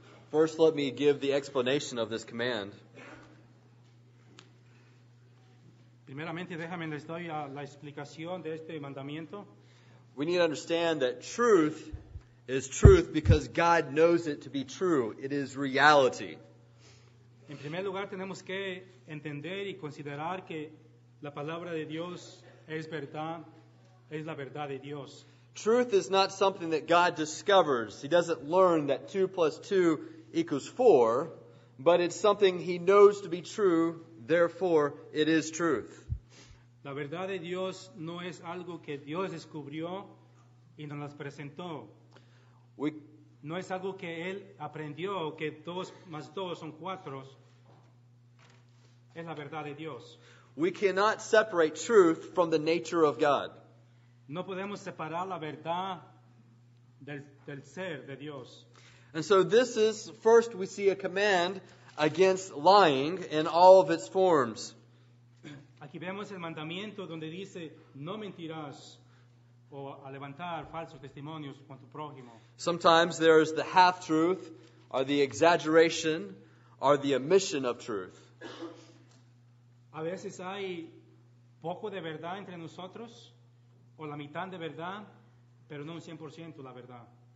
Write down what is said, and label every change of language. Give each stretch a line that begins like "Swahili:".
English: First, let me give the explanation of this command.
Spanish: Primeramente, déjame les doy la explicación de este mandamiento.
English: We need to understand that truth is truth because God knows it to be true. It is reality.
Spanish: En primer lugar, tenemos que entender y considerar que la palabra de Dios es verdad. Es la verdad de Dios.
English: Truth is not something that God discovers. He doesn't learn that 2 plus 2 equals 4, but it's something he knows to be true, therefore it is truth.
Spanish: La verdad de Dios no es algo que Dios descubrió y nos las presentó. No es algo que él aprendió, que 2 más 2 son 4. Es la verdad de Dios.
English: We cannot separate truth from the nature of God.
Spanish: No podemos separar la verdad del ser de Dios.
English: And so this is, first we see a command against lying in all of its forms.
Spanish: Aquí vemos el mandamiento donde dice, no mentirás o a levantar falsos testimonios con tu prójimo.
English: Sometimes there is the half-truth, or the exaggeration, or the omission of truth.
Spanish: A veces hay poco de verdad entre nosotros. O la mitad de verdad, pero no 100% la verdad.